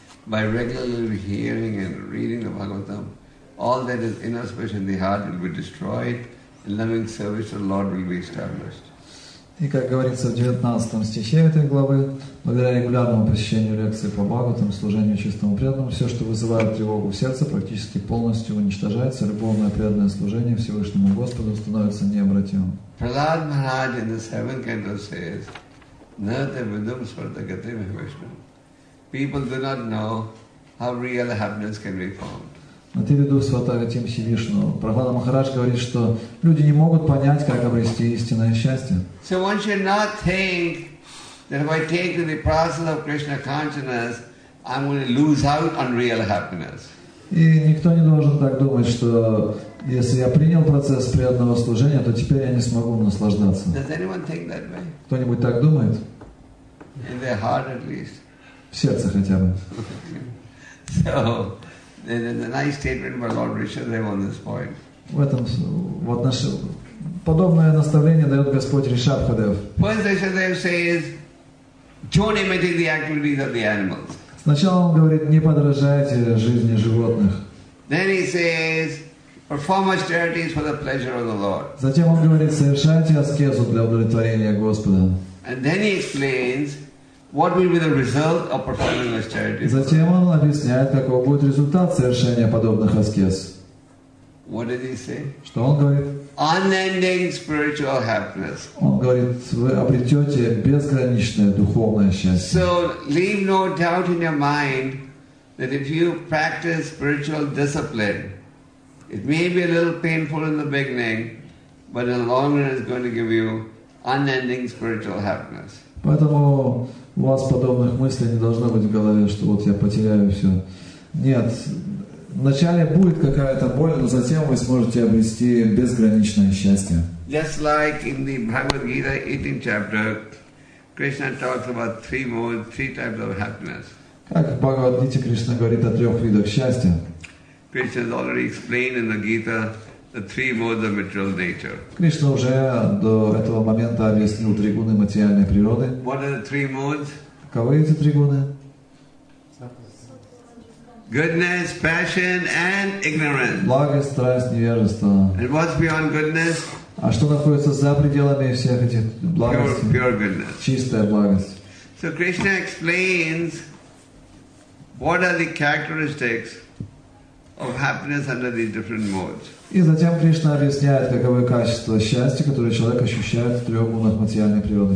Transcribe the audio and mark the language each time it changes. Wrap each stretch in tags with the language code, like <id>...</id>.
<en>By regularly hearing and reading the Bhagavatam, all that is inauspicious in the heart will be destroyed, and loving service to the Lord will be established.</en> <ru>И как говорится в 19 стихе этой главы, благодаря регулярному посещению лекции по Бхагаватам, служению чистому преданному, все, что вызывает тревогу в сердце, практически полностью уничтожается. Любовное преданное служение Всевышнему Господу становится необратимым.</ru> <en>Prahlad Maharaj in the 7th canto says,</en> <sa>"Nata vidum svartagati mahavishnu."</sa> <en>People do not know how real happiness can be found.</en> <sa>На Тириду Сватага Тим Сивишну.</sa> <ru>Прахлада Махарадж говорит, что люди не могут понять, как обрести истинное счастье.</ru> <en>So one should not think that if I take the process of Krishna consciousness, I'm going to lose out on real happiness.</en> <ru>И никто не должен так думать, что если я принял процесс приятного служения, то теперь я не смогу наслаждаться.</ru> <en>Does anyone think that way?</en> <ru>Кто-нибудь так думает?</ru> <en>In their heart at least.</en> <ru>В сердце хотя бы. В этом, вот наше подобное наставление дает Господь Ришабхадев. Сначала он говорит, не подражайте жизни животных.</ru> <en>Then he says, perform austerities for the pleasure of the Lord.</en> <ru>Затем он говорит, совершайте аскезу для удовлетворения Господа.</ru> <en>And then he explains what will be the result of performing austerities.</en> <ru>Затем он объясняет, каков будет результат совершения подобных аскез.</ru> <en>What did he say?</en> <ru>Что он говорит?</ru> <en>Unending spiritual happiness.</en> <ru>Он говорит, вы обретете безграничное духовное счастье.</ru> <en>So leave no doubt in your mind that if you practice spiritual discipline, it may be a little painful in the beginning, but in the long run it's going to give you unending spiritual happiness.</en> <ru>Поэтому у вас подобных мыслей не должно быть в голове, что вот я потеряю все. Нет. Вначале будет какая-то боль, но затем вы сможете обрести безграничное счастье.</ru> <en>Just like in the Bhagavad Gita 18th chapter, Krishna talks about three types of happiness.</en> <ru>Как в Бхагавад Гите Кришна говорит о трех видах счастья?</ru> <en>Krishna has already explained in the Gita the three modes of material nature.</en> <ru>Кришна уже до этого момента объяснил три гуны материальной природы.</ru> <en>What are the three modes?</en> <ru>Каковы эти три гуны?</ru> <en>Goodness, passion, and ignorance.</en> <ru>Благость, страсть, невежество.</ru> <en>And what's beyond goodness?</en> <ru>А что находится за пределами всех этих благостей?</ru> <en>Pure goodness.</en> <ru>Чистая благость.</ru> <en>So Krishna explains what are the characteristics of happiness under these different modes.</en> <ru>И затем Кришна объясняет, каковы качества счастья, которые человек ощущает в трех гунах материальной природы.</ru>